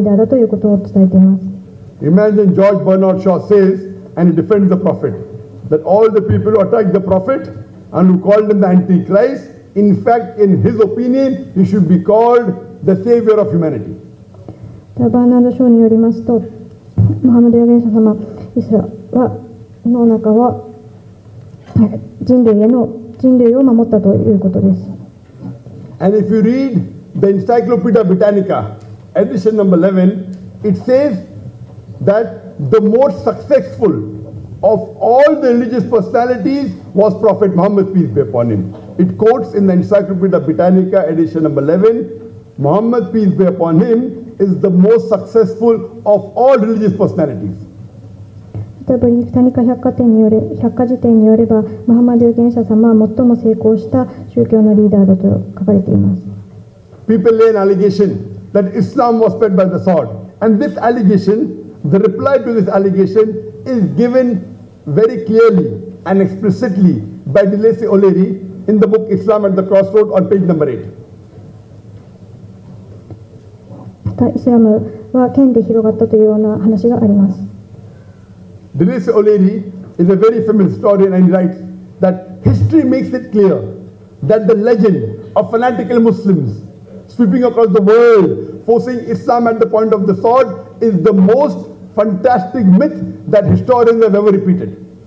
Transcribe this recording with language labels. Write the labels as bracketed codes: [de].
[ja] また別な人は人ある人間が犯罪から遠い場合、その人が安全な人であるということが偉大なリーダーだということを伝えています。 [en] Imagine George Bernard Shaw says, and he defends the prophet, that all the people who attacked the prophet and who called him the Antichrist, in fact, in his opinion, he should be called the savior of humanity. And if you read the Encyclopedia Britannica, edition number 11, it says that the most successful of all the religious personalities was Prophet Muhammad, peace be upon him. It quotes in the Encyclopedia Britannica, edition number 11, Muhammad, peace be upon him, is the most successful of all religious personalities. [ja] たブリフタニカ百貨店による百科事典によればムハンマド預言者様は最も成功した宗教のリーダーだと書かれています。 [en] People lay an allegation that Islam was spread by the sword, and this allegation, the reply to this allegation is given very clearly and explicitly by Dilesi O'Leary in the book Islam at the Crossroad on page number 8. [ja] イスラムは剣で広がったというような話があります。 [en] Dilesi O'Leary is a very famous historian, and he writes that history makes it clear that the legend of fanatical Muslims sweeping across the world forcing Islam at the point of the sword is the most fantastic myth that historians have ever repeated。